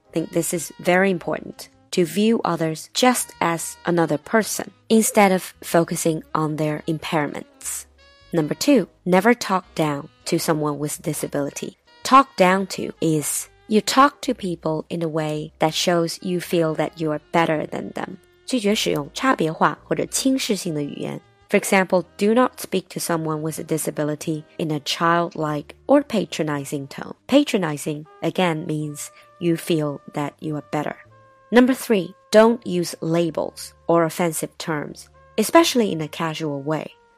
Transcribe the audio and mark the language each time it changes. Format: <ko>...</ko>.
<en>I think this is very important. To view others just as another person, instead of focusing on their impairments. Number two, never talk down to someone with disability. Talk down to is, you talk to people in a way that shows you feel that you are better than them.</en> <zh>拒绝使用差别化或者轻视性的语言。</zh> <en>For example, do not speak to someone with a disability in a childlike or patronizing tone. Patronizing, again, means you feel that you are better. Number three, don't use labels or offensive terms, especially in a casual way.</en>